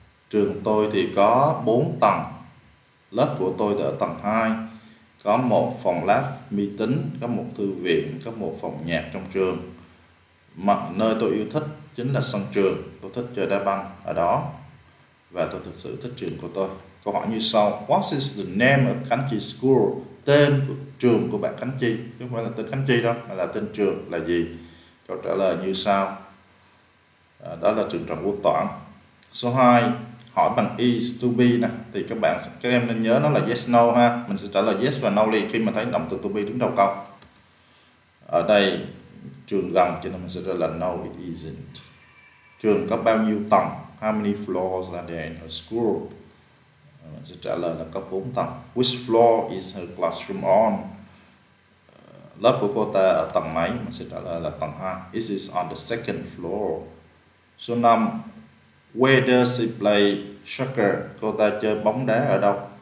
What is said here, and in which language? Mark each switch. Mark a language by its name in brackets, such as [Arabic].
[Vietnamese] Trường tôi thì có 4 tầng. Lớp của tôi ở tầng 2. Có một phòng lab vi tính, có một thư viện, có một phòng nhạc trong trường. Mà nơi tôi yêu thích chính là sân trường. Tôi thích chơi đá banh ở đó. Và tôi thực sự thích trường của tôi. Câu hỏi như sau: [English] What is the name of Kanji School? [Vietnamese] Tên của trường của bạn Khánh Chi, chứ không phải là tên Khánh Chi đâu, mà là tên trường là gì? Câu trả lời như sau. Đó là trường Trần Quốc Toản. Số 2, hỏi bằng is to be nè, thì các em nên nhớ nó là yes no ha. Mình sẽ trả lời yes và no liền khi mà thấy động từ to be đứng đầu câu. Ở đây trường gần cho nên mình sẽ trả lời [English] no it isn't. [Vietnamese] Trường có bao nhiêu tầng? [English] How many floors are there in her school? [Vietnamese] Mình sẽ trả lời là có 4 tầng. [English] Which floor is her classroom on? [Vietnamese] Lớp của cô ta ở tầng mấy? Mình sẽ trả lời là tầng 2. [English] It is on the second floor. [Vietnamese] Số 5, [English] where does she play soccer? [Vietnamese] Cô ta chơi bóng đá ở đâu?